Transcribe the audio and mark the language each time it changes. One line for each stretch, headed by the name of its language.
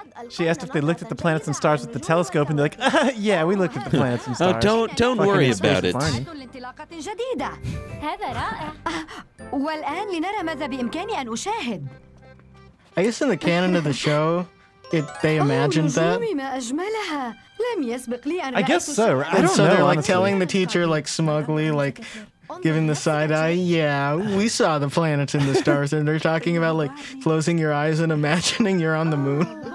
English: She asked if they looked at the planets and stars with the telescope and they're like, yeah, we looked at the planets and stars. Oh, don't worry about it.
Arabic: هذا رائع. والآن لنرى ماذا بإمكاني أن أشاهد.
English: I guess in the canon of the show, they imagined that.
Arabic: ما أجملها. لم يسبق لي أن
English: I guess so. I don't know. They're like telling the teacher like smugly like. Giving the side eye, yeah, we saw the planets and the stars, and they're talking about, like, closing your eyes and imagining you're on the moon.